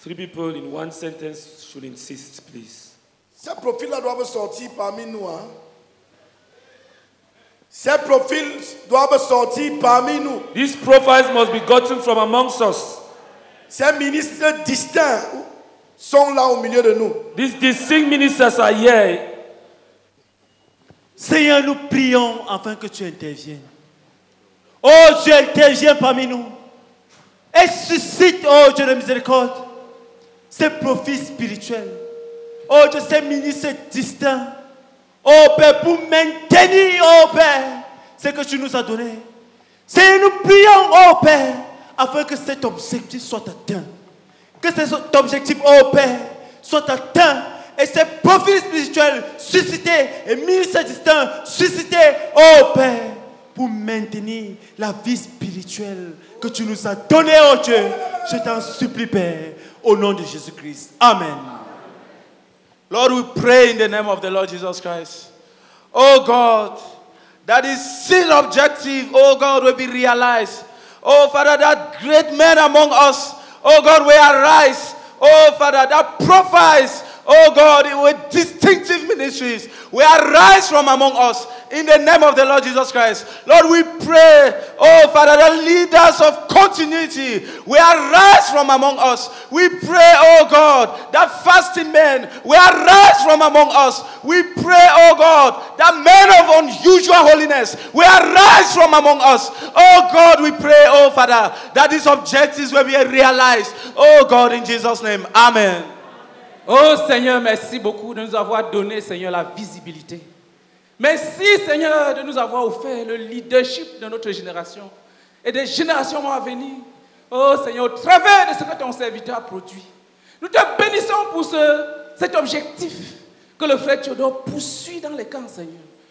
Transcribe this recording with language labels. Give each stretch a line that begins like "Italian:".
English: Three people in one sentence should insist, please.
French: Ces profils-là doivent sortir parmi nous. Hein? Ces profils doivent sortir parmi nous.
English: These profiles must be gotten from amongst us.
French: Ces ministres distincts sont là au milieu de nous.
English: These distinct ministers are here.
French: Seigneur, nous prions afin que tu interviennes. Oh Dieu, interviens parmi nous. Et suscite, oh Dieu de miséricorde, ces profils spirituels. Oh Dieu, ces ministres distincts. Oh Père, pour maintenir, oh Père, ce que tu nous as donné. Seigneur, nous prions, oh Père, afin que cet objectif soit atteint. que cet objectif, ô Père, soit atteint et ces profils spirituels suscités et mis à distance, suscités, ô Père, pour maintenir la vie spirituelle que tu nous as donnée, ô Dieu. Je t'en supplie, Père, au nom de Jésus-Christ. Amen.
English: Lord, we pray in the name of the Lord Jesus Christ. Oh God, that this sin objective, oh God, will be realized. Oh Father, that great man among us, oh God, will arise. Oh Father, that prophets, oh God, with distinctive ministries, will arise from among us in the name of the Lord Jesus Christ. Lord, we pray, oh Father, that leaders of continuity will arise from among us. We pray, oh God, that fasting men will arise from among us. We pray, oh God, that men of unusual holiness will arise from among us. Oh God, we pray, oh Father, that these objectives will be realized. Oh God, in Jesus' name, amen.
French: Oh Seigneur, merci beaucoup de nous avoir donné, Seigneur, la visibilité. Merci, Seigneur, de nous avoir offert le leadership de notre génération et des générations à venir. Oh Seigneur, au travers de ce que ton serviteur a produit, nous te bénissons pour cet objectif que le frère Théodore poursuit dans les camps, Seigneur.